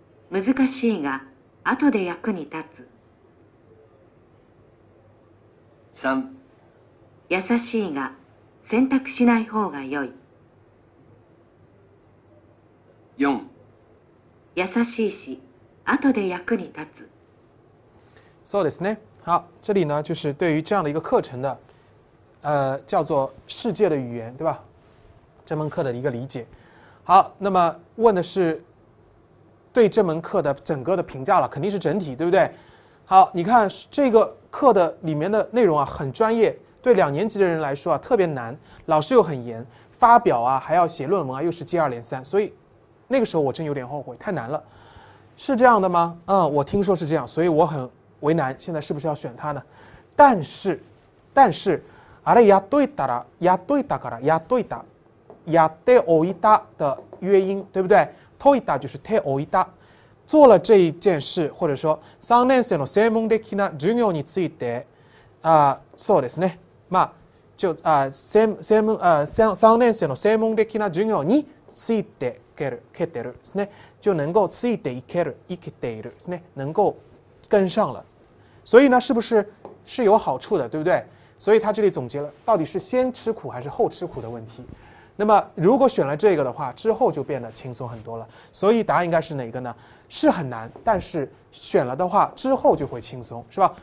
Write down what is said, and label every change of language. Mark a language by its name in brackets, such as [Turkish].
[Japanese] 難しいが後で役に立つ。 3。優しいが選択しない方が良い。 4。優しいし後で役に立つ。そうですね。 [Chinese] 好，这里呢就是对于这样的一个课程的，叫做世界的语言，对吧？这门课的一个理解。好，那么问的是对这门课的整个的评价了，肯定是整体，对不对？好，你看这个课的里面的内容啊，很专业，对两年级的人来说啊，特别难，老师又很严，发表啊，还要写论文啊，又是接二连三，所以那个时候我真有点后悔，太难了。是这样的吗？我听说是这样，所以我很为难，现在是不是要选它呢？但是， [Japanese] あれやっといたら、やっといたから、やっといた、やっておいた [Chinese] 的约音，对不对？ [Japanese] といた [Chinese] 就是 [Japanese] ておいた， [Chinese] 做了这一件事，或者说 [Japanese] 三年生の専門的な授業について、そうですね。まあ、 [Chinese] 就啊、 [Japanese] 専門呃三三年生の専門的な授業について。けてるですね、 [Chinese] 就能够 [Japanese] ついていける、生きているですね、 [Chinese] 能够跟上了。所以呢，是有好处的，对不对？所以他这里总结了，到底是先吃苦还是后吃苦的问题。那么如果选了这个的话，之后就变得轻松很多了。所以答案应该是哪个呢？是很难，但是选了的话，之后就会轻松，是吧？